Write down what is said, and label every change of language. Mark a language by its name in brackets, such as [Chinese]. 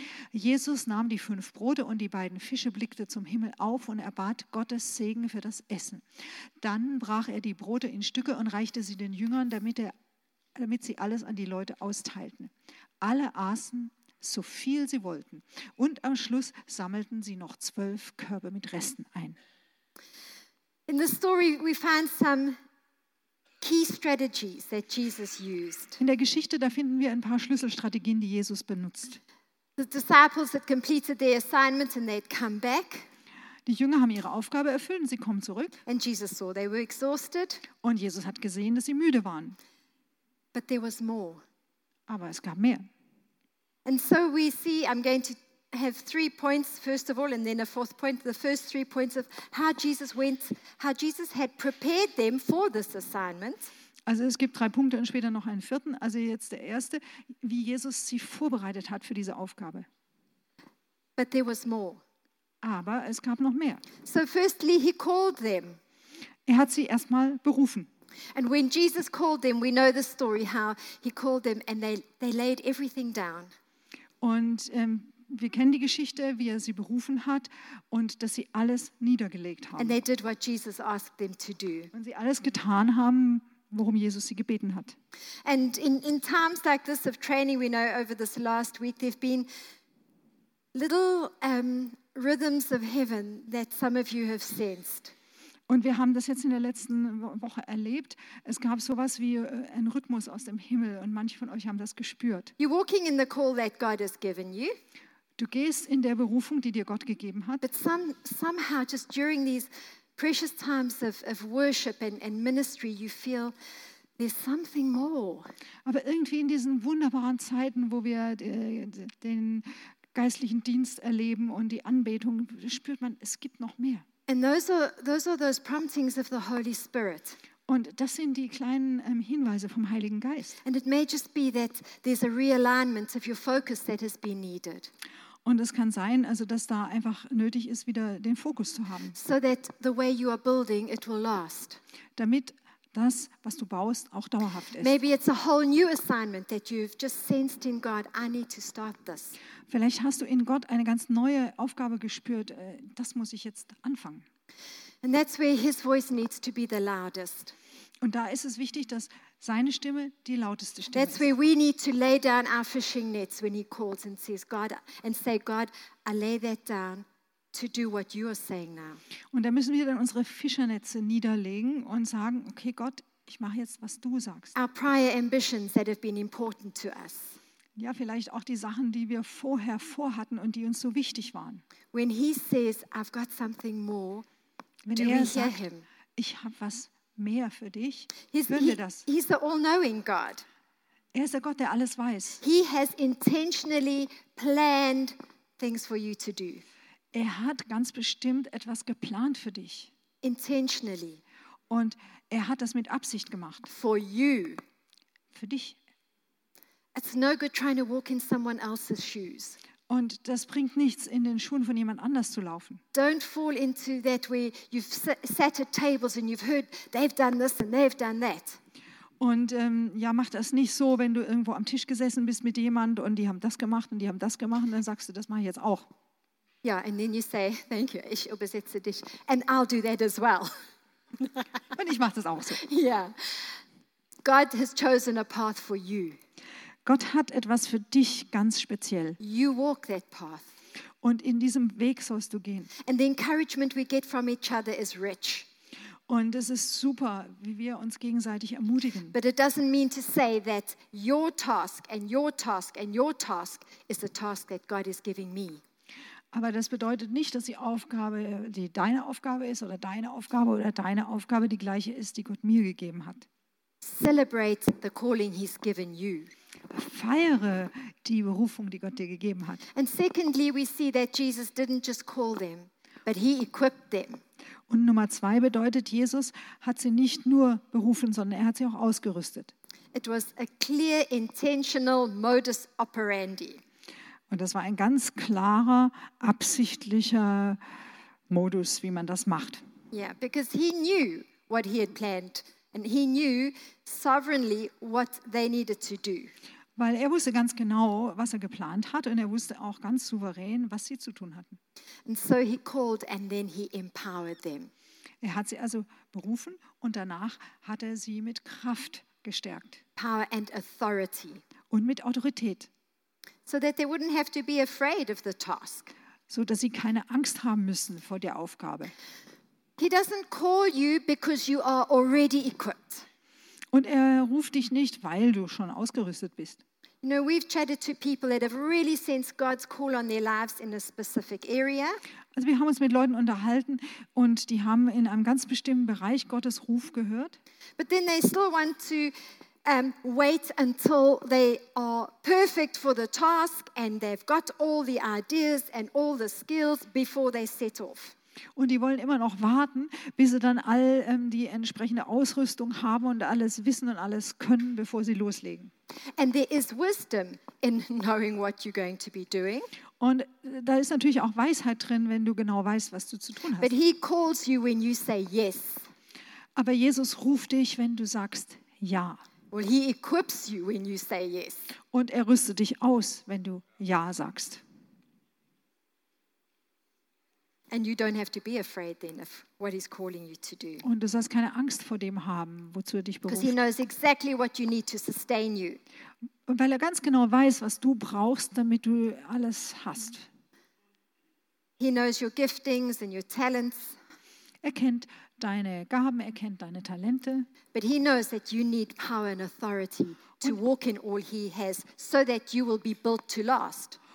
[German] Jesus nahm die 5 Brote und die 2 Fische, blickte zum Himmel auf und erbat Gottes Segen für das Essen. Dann brach er die Brote in Stücke und reichte sie den Jüngern, damit sie alles an die Leute austeilten. Alle aßen, so viel sie wollten. Und am Schluss sammelten sie noch 12 Körbe mit Resten ein. [English] In the story we find some key strategies that Jesus used. [German] In der Geschichte, da finden wir ein paar Schlüsselstrategien, die Jesus benutzt. [English] The disciples had completed their assignment and they'd come back. [German] Die Jünger haben ihre Aufgabe erfüllt und sie kommen zurück. [English] And Jesus saw they were exhausted. [German] Und Jesus hat gesehen, dass sie müde waren. [English] But there was more. [German] Aber es gab mehr. [English] And so we see, I'm going to have 3 points, first of all, and then a fourth point. The first 3 points of how Jesus went, how Jesus had prepared them for this assignment. [German] Also es gibt 3 Punkte und später noch einen vierten. Also jetzt der erste, wie Jesus sie vorbereitet hat für diese Aufgabe. [English] But there was more. [German] Aber es gab noch mehr. [English] So firstly, he called them. [German] Er hat sie erstmal berufen. [English] And when Jesus called them, we know the story how he called them and they laid everything down. [German] Und wir kennen die Geschichte, wie er sie berufen hat und dass sie alles niedergelegt haben. [English] And they did what Jesus asked them to do. [German] Und sie alles getan haben, worum Jesus sie gebeten hat. [English] And in times like this of training, we know over this last week there've been little rhythms of heaven that some of you have sensed. [German] Und wir haben das jetzt in der letzten Woche erlebt. Es gab sowas wie einen Rhythmus aus dem Himmel und manche von euch haben das gespürt. [English] You're walking in the call that God has given you. [German] Du gehst in der Berufung, die dir Gott gegeben hat. [English] But somehow just during these precious times of worship and ministry you feel there's something more. [German] Aber irgendwie in diesen wunderbaren Zeiten, wo wir den geistlichen Dienst erleben und die Anbetung, spürt man, es gibt noch mehr. [English] And those are those promptings of the Holy Spirit. [German] Und das sind die kleinen Hinweise vom Heiligen Geist. [English] And it may just be that there's a realignment of your focus that has been needed. [German] Und es kann sein, also dass da einfach nötig ist, wieder den Fokus zu haben. [English] So that the way you are building it will last. [German] Damit das, was du baust, auch dauerhaft ist. [English] Maybe it's a whole new assignment that you've just sensed in God. I need to start this. [German] Vielleicht hast du in Gott eine ganz neue Aufgabe gespürt. Das muss ich jetzt anfangen. [English] And that's where his voice needs to be the loudest. [German] Und da ist es wichtig, dass seine Stimme die lauteste Stimme ist. [English] That's where we need to lay down our fishing nets when he calls and says, God, and say, God, I lay that down. To do what you are saying now. [German] Und da müssen wir dann unsere Fischernetze niederlegen und sagen, okay Gott, ich mache jetzt, was du sagst. [English] Our prior ambitions that have been important to us. [German] Ja, vielleicht auch die Sachen, die wir vorher vorhatten und die uns so wichtig waren. [English] When he says, I've got something more, [German] wenn [English] do [German] er [English] we [German] sagt, [English] hear him? [German] Ich habe was mehr für dich, hören wir das. [English] He's the all-knowing God. [German] Er ist der Gott, der alles weiß. [English] He has intentionally planned things for you to do. [German] Er hat ganz bestimmt etwas geplant für dich. [English] Intentionally. [German] Und er hat das mit Absicht gemacht. [English] For you. [German] Für dich. [English] It's no good trying to walk in someone else's shoes. [German] Und das bringt nichts, in den Schuhen von jemand anders zu laufen. [English] Don't fall into that where you've sat at tables and you've heard they've done this and they've done that. [German] Und ja, mach das nicht so, wenn du irgendwo am Tisch gesessen bist mit jemand und die haben das gemacht und die haben das gemacht und dann sagst du, das mache ich jetzt auch. [English] Ja, and then you say, thank you, [German] ich übersetze dich. [English] And I'll do that as well. [German] Und ich mache das auch so. [English] Yeah. God has chosen a path for you. [German] Gott hat etwas für dich ganz speziell. [English] You walk that path. [German] Und in diesem Weg sollst du gehen. [English] And the encouragement we get from each other is rich. [German] Und es ist super, wie wir uns gegenseitig ermutigen. [English] But it doesn't mean to say that your task and your task and your task is the task that God is giving me. [German] Aber das bedeutet nicht, dass die Aufgabe, die deine Aufgabe ist oder deine Aufgabe die gleiche ist, die Gott mir gegeben hat. [English] Celebrate the calling he's given you. [German] Feiere die Berufung, die Gott dir gegeben hat. [English] And secondly, we see that Jesus didn't just call them, but he equipped them. [German] Und Nummer 2 bedeutet, Jesus hat sie nicht nur berufen, sondern er hat sie auch ausgerüstet. [English] It was a clear intentional modus operandi. [German] Und das war ein ganz klarer, absichtlicher Modus, wie man das macht. [English] Yeah, because he knew what he had planned and he knew sovereignly what they needed to do. [German] Weil er wusste ganz genau, was er geplant hat und er wusste auch ganz souverän, was sie zu tun hatten. [English] And so he called and then he empowered them. [German] Er hat sie also berufen und danach hat er sie mit Kraft gestärkt. [English] Power and authority. [German] Und mit Autorität. [English] So that they wouldn't have to be afraid of the task. [German] So dass sie keine Angst haben müssen vor der Aufgabe. [English] He doesn't call you because you are already equipped. [German] Und er ruft dich nicht, weil du schon ausgerüstet bist. [English] You know, we've chatted to people that have really sensed God's call on their lives in a specific area. [German] Also wir haben uns mit Leuten unterhalten und die haben in einem ganz bestimmten Bereich Gottes Ruf gehört. [English] But then they still want to wait until they are perfect for the task and they've got all the ideas and all the skills before they set off. [German] Und die wollen immer noch warten, bis sie dann all die entsprechende Ausrüstung haben und alles wissen und alles können, bevor sie loslegen. [English] And there is wisdom in knowing what you're going to be doing. [German] Und da ist natürlich auch Weisheit drin, wenn du genau weißt, was du zu tun hast. [English] But he calls you when you say yes. [German] Aber Jesus ruft dich, wenn du sagst ja. [English] Well, he equips you when you say yes. [German] Und er rüstet dich aus, wenn du ja sagst. [English] And you don't have to be afraid then of what he's calling you to do. [German] Und du sollst keine Angst vor dem haben, wozu er dich beruft. [English] Because he knows exactly what you need to sustain you. [German] Weil er ganz genau weiß, was du brauchst, damit du alles hast. [English] He knows your giftings and your talents. [German] Er kennt deine Gaben, er kennt deine Talente. [English] But he knows that you need power and authority to walk in all he has, so that you will be built to last.